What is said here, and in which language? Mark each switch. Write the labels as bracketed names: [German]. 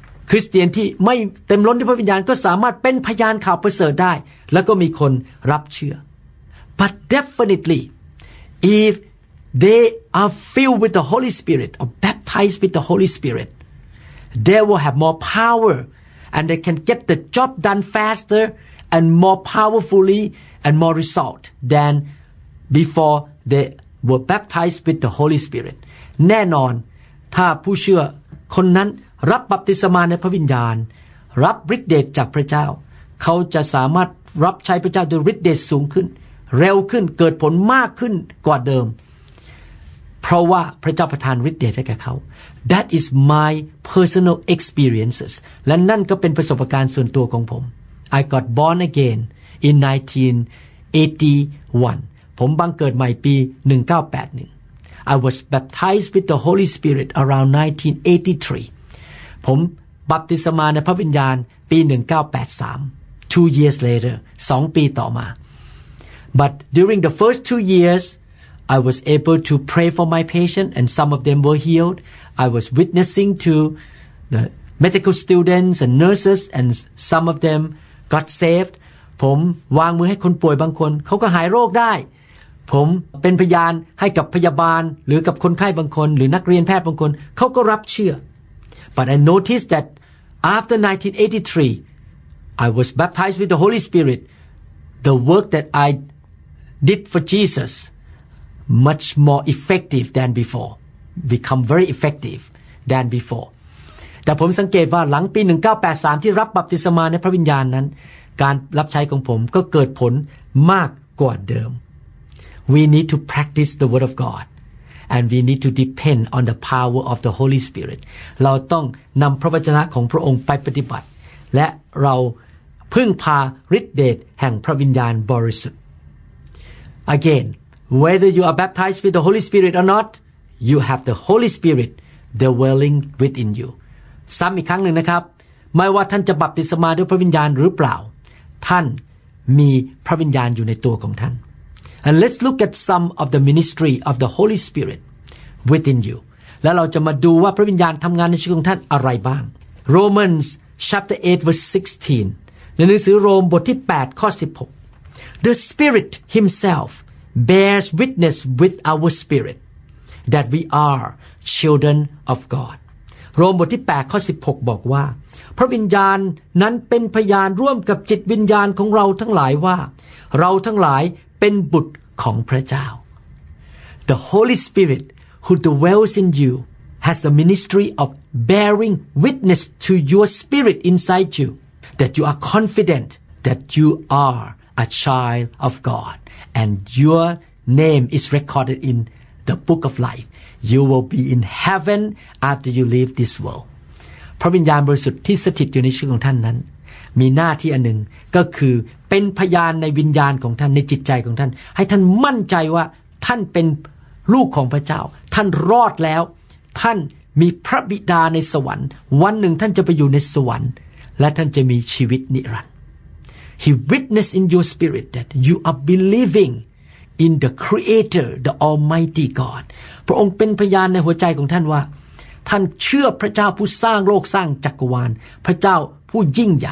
[Thai] คริสเตียนที่ไม่เต็มล้นด้วยพระวิญญาณก็สามารถเป็นพยานข่าวประเสริฐได้แล้วก็มีคนรับเชื่อ [English] But definitely if they are filled with the Holy Spirit or baptized with the Holy SpiritThey will have more power, and they can get the job done faster and more powerfully and more result than before they were baptized with the Holy Spirit. [Thai] แน่นอนถ้าผู้เชื่อคนนั้นรับบัพติศมาในพระวิญญาณรับฤทธิ์เดชจากพระเจ้าเขาจะสามารถรับใช้พระเจ้าด้วยฤทธิ์เดชสูงขึ้นเร็วขึ้นเกิดผลมากขึ้นกว่าเดิมเพราะว่าพระเจ้าประทานฤทธิ์เดชให้แก่เขา [English] That is my personal experiences [Thai] และนั่นก็เป็นประสบการณ์ส่วนตัวของผม [English] I got born again in 1981 [Thai] ผมบังเกิดใหม่ปี1981 [English] I was baptized with the Holy Spirit around 1983 [Thai] ผมบัพติศมาในพระวิญญาณปี1983 2 [English] years later [Thai] 2ปีต่อมา [English] But during the first 2 yearsI was able to pray for my patient and some of them were healed. I was witnessing to the medical students and nurses and some of them got saved. [Thai] ผมวางมือให้คนป่วยบางคนเขาก็หายโรคได้ผมเป็นพยานให้กับพยาบาลหรือกับคนไข้บางคนหรือนักเรียนแพทย์บางคนเขาก็รับเชื่อ [English] But I noticed that after 1983 I was baptized with the Holy Spirit. The work that I did for Jesusmuch more effective than before become very effective than before [Thai] แต่ผมสังเกตว่าหลังปี1983ที่รับบัพติศมาในพระวิญญาณนั้นการรับใช้ของผมก็เกิดผลมากกว่าเดิม [English] We need to practice the word of God and we need to depend on the power of the Holy Spirit [Thai] เราต้องนำพระวจนะของพระองค์ไปปฏิบัติและเราพึ่งพาฤทธิ์เดชแห่งพระวิญญาณบริสุทธิ์ [English] againWhether you are baptized with the Holy Spirit or not, you have the Holy Spirit dwelling within you. [Thai] ซ้ำอีกครั้งหนึ่งนะครับไม่ว่าท่านจะบัพติศมาด้วยพระวิญญาณหรือเปล่าท่านมีพระวิญญาณอยู่ในตัวของท่าน [English] And let's look at some of the ministry of the Holy Spirit within you. [Thai] แล้วเราจะมาดูว่าพระวิญญาณทำงานในชีวิตของท่านอะไรบ้าง [English] Romans chapter 8 verse 16. [Thai] ในหนังสือโรมบทที่8ข้อ16 [English] The Spirit Himselfbears witness with our spirit that we are children of God. [Thai] โรมบทที่8ข้อ16บอกว่าพระวิญญาณนั้นเป็นพยานร่วมกับจิตวิญญาณของเราทั้งหลายว่าเราทั้งหลายเป็นบุตรของพระเจ้า [English] The Holy Spirit who dwells in you has the ministry of bearing witness to your spirit inside you that you are confident that you are a child of GodAnd your name is recorded in the book of life. You will be in heaven after you leave this world. [Thai] พระวิญญาณบริสุทธิ์ที่สถิตอยู่ในชีวิตของท่านนั้นมีหน้าที่อันหนึ่งก็คือเป็นพยานในวิญญาณของท่านในจิตใจของท่านให้ท่านมั่นใจว่าท่านเป็นลูกของพระเจ้าท่านรอดแล้วท่านมีพระบิดาในสวรรค์วันหนึ่งท่านจะไปอยู่ในสวรรค์และท่านจะมีชีวิตนิรันดร์ [English] He witnessed in your spirit that you are believing in the Creator, the Almighty God. [Thai] พระองค์เป็นพยานในหัวใจของท่านว่าท่านเชื่อพระเจ้าผู้สร้างโลกสร้างจักรวาลพระเจ้าผู้ยิ่งใหญ